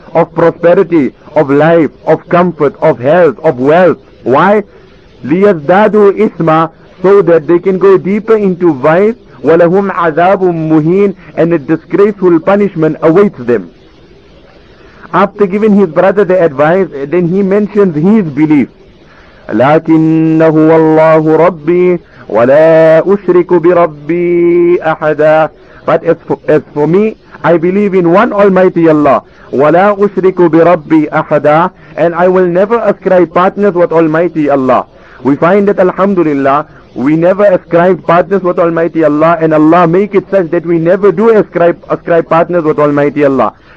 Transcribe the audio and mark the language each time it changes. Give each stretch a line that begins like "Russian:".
English: Of prosperity, of life, of comfort, of health, of wealth. Why?
Arabic: لِيَزْدَادُوا إِثْمًا,
English: so that they can go deeper into vice
Arabic: ولهم عذاب مهين
English: and a disgraceful punishment awaits them. After giving his brother the advice, then he mentions his belief.
Arabic: لكنه والله ربي ولا أشرك بربي أحدا.
English: But as for me, I believe in one Almighty Allah.
Arabic: ولا أشرك بربي أحدا.
English: And I will never ascribe partners with Almighty Allah. We find that Alhamdulillah, we never ascribe partners with Almighty Allah, and Allah make it such that we never do ascribe partners with Almighty Allah.